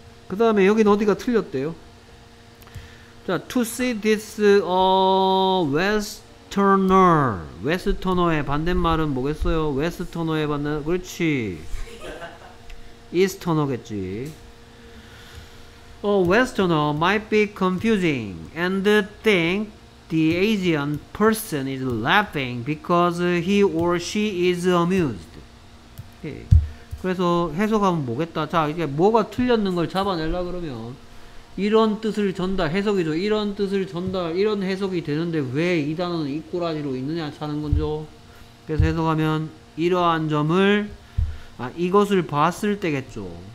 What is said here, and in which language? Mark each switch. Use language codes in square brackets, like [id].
[ko] 그 다음에 여기는 어디가 틀렸대요? [en] 자, to see this westerner. [ko] 웨스터너의 반대말은 뭐겠어요? 웨스터너의 반대말 그렇지 이스터너겠지. [en] A westerner might be confusing and think the Asian person is laughing because he or she is amused. Okay. [ko] 그래서 해석하면 뭐겠다. 자, 이게 뭐가 틀렸는 걸 잡아내려 그러면 이런 뜻을 전달, 해석이죠. 이런 뜻을 전달, 이런 해석이 되는데 왜 이 단어는 이꼬라지로 있느냐 하는 건죠. 그래서 해석하면 이러한 점을 아, 이것을 봤을 때겠죠.